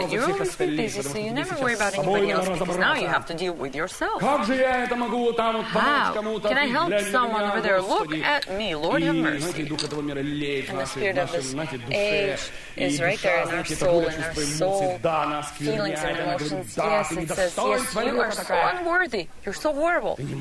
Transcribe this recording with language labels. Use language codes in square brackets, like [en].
[en] that you're always been busy, so you never worry about anybody else, because now you have to deal with yourself. [ru] Как же я это могу там вот помочь кому-то? [en] How? Can I help someone over there? Look at me, Lord have mercy. [ru] Знаете, дух этого мира леет [en] and the spirit of this age is right there in our soul, in our soul, feelings and emotions, yes, it says, yes, you are so unworthy, you're so horrible.